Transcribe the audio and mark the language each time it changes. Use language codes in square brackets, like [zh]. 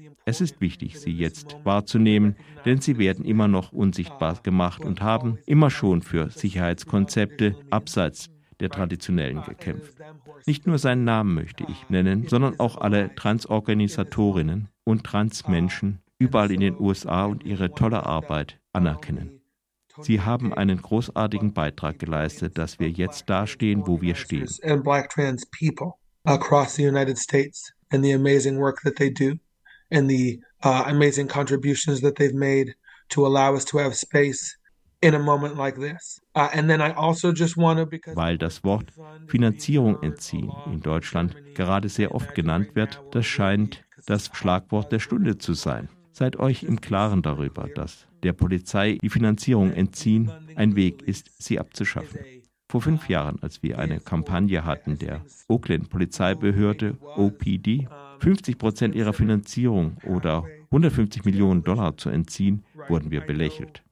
[de] Es ist wichtig, sie jetzt wahrzunehmen, denn sie werden immer noch unsichtbar gemacht und haben immer schon für Sicherheitskonzepte abseits der Traditionellen gekämpft. Nicht nur seinen Namen möchte ich nennen, sondern auch alle Transorganisatorinnen und Transmenschen überall in den USA und ihre tolle Arbeit anerkennen. Sie haben einen großartigen Beitrag geleistet, dass wir jetzt dastehen, wo wir stehen. [en] And Black trans people across the United States and the amazing work that they do and the amazing contributions that they've made to allow us to have space in a moment like this. And then I also just want to, because [de] weil das Wort Finanzierung entziehen in Deutschland gerade sehr oft genannt wird, das scheint das Schlagwort der Stunde zu sein. Seid euch im Klaren darüber, dass der Polizei die Finanzierung entziehen ein Weg ist, sie abzuschaffen. Vor 5 Jahren, als wir eine Kampagne hatten, der Oakland Polizeibehörde, OPD, 50% ihrer Finanzierung oder $150 Millionen zu entziehen, wurden wir belächelt.